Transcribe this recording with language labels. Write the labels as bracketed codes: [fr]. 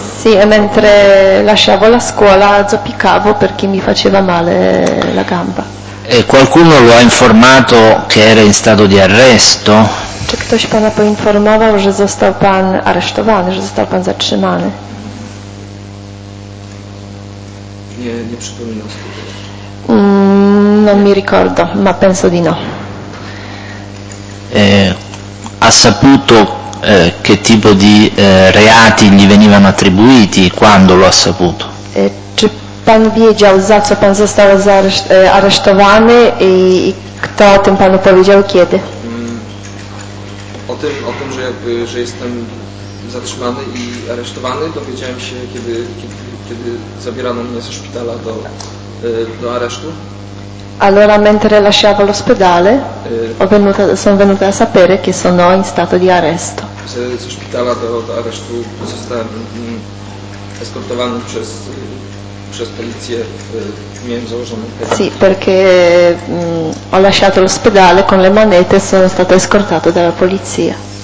[it] Sì, e mentre lasciavo la scuola zoppicavo perché mi faceva male la gamba. E qualcuno lo ha informato che era in stato di arresto? [pl] Czy ktoś pana poinformował, że został pan aresztowany, że został pan zatrzymany? Nie przypominam sobie. [it] Non mi ricordo, ma penso di no. Ha saputo che tipo di reati gli venivano attribuiti, quando lo ha saputo? [pl] Czy pan wiedział, za co pan został aresztowany i kto o tym panu powiedział, kiedy? O tym, że jestem zatrzymany i aresztowany, dowiedziałem się, kiedy zabierano mnie ze szpitala do aresztu. [it] Allora, mentre lasciavo l'ospedale, sono venuta a sapere che sono in stato di arresto. [pl] Ze szpitala do aresztu zostałem eskortowany przez policję, miałem założone pety. [it] Sì, perché ho lasciato l'ospedale con le manette e sono stato escortato dalla polizia.